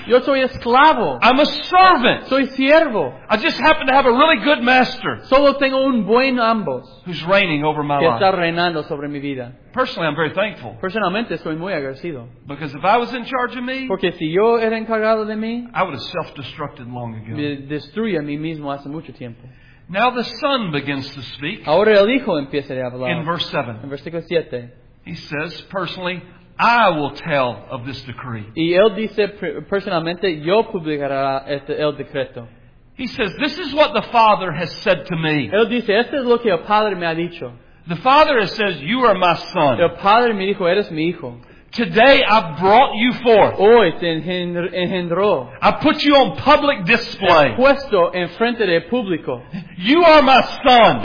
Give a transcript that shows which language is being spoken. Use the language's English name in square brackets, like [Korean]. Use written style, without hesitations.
[Spanish] Yo soy esclavo. [English] I'm a servant. [Spanish] Soy siervo. [English] I just happen to have a really good master. [Spanish] Solo tengo un buen ambos. [English] Who's reigning over my [Spanish] que [English] life. [Spanish] Está reinando sobre mi vida. [English] Personally, I'm very thankful. [Spanish] Personalmente, soy muy agradecido. [English] Because if I was in charge of me, [Spanish] porque si yo era encargado de mí, [English] I would have self-destructed long ago. [Spanish] Me destruí a mí mismo hace mucho tiempo. [English] Now the son begins to speak. [Spanish] Ahora el hijo empieza a hablar. [English] In verse 7. [Spanish] En versículo 7. [English] He says, personally, I will tell of this decree. [Spanish] Y él dice, personalmente, yo publicaré este, el decreto. [English] He says, this is what the Father has said to me. [Spanish] Él dice, esto es lo que el Padre me ha dicho. [English] The Father says, you are my son. [Spanish] El Padre me dijo, eres mi hijo. [English] Today I brought you forth. [Spanish] Hoy te engendró. [English] I put you on public display. [Spanish] Puesto en frente de público. [English] You are my son.